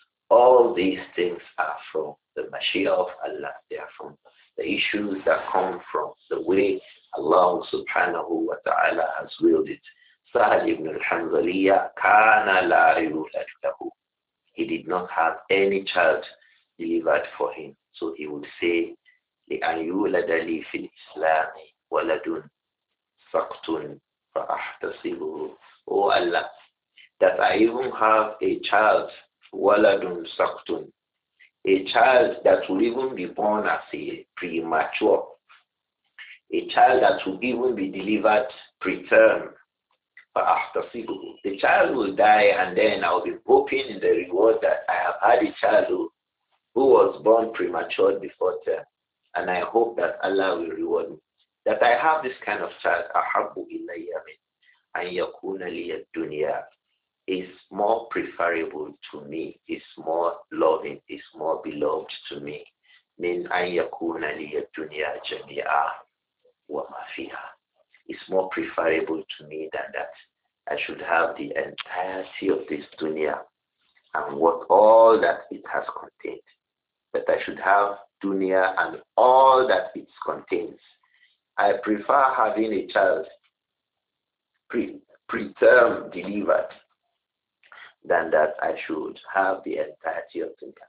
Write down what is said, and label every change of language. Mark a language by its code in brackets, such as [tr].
[en] All these things are from the Mashiach of Allah. They are from the issues that come from the way Allah subhanahu wa ta'ala has willed it. [ar] Sa'd ibn al-Hanzaliya kana la yulad lahu. [en] He did not have any child delivered for him. So he would say, [ar] لِأَنْ يُولَدَ لِي فِي الْإِسْلَامِ وَلَدٌ سَقْتٌ فَأَحْتَصِبُهُ. [en] Oh Allah, that I even have a child, [ar] وَلَدٌ سَقْتٌ, [en] a child that will even be born as a premature, a child that will even be delivered preterm, فَأَحْتَصِبُهُ. The child will die and then I'll be hoping in the reward that I have had a child who was born premature before term, and I hope that Allah will reward me. That I have this kind of child, [ar] أَحَبُّ إِلَّيَّ مِنْ أَنْ يَكُونَ لِيَ الدُّنْيَا, [en] is more preferable to me, is more loving, is more beloved to me [ar] من أن يكون لي الدنيا جميعا وما فيها. [en] It's more preferable to me than that. I should have the entirety of this dunya and what all that it has contained. But I should have dunya and all that it contains. I prefer having a child preterm delivered than that I should have the entirety of dunya.